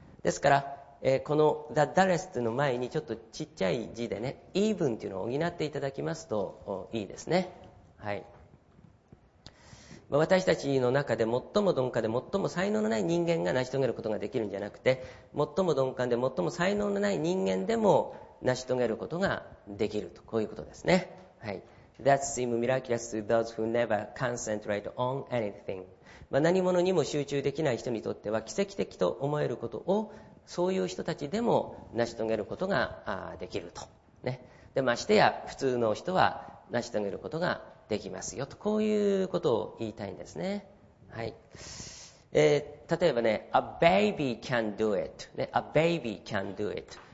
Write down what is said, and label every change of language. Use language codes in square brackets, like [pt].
[ja] ですから、この The Dullest の前にちょっとちっちゃい字でね、イーブンというのを補っていただきますといいですね。はい。私たちの中で最も鈍感で最も才能のない人間が成し遂げることができるんじゃなくて、最も鈍感で最も才能のない人間でも成し遂げることができると、こういうことですね。はい。 [en] That seem miraculous to those who never concentrate on anything。 [ja] 何者にも集中できない人にとっては奇跡的と思えることを、そういう人たちでも成し遂げることができると。ね。で、ましてや普通の人は成し遂げることができますよと、こういうことを言いたいんですね。はい。例えばね、 [en] A baby can do it、 [ja] ね、 [en] A baby can do it。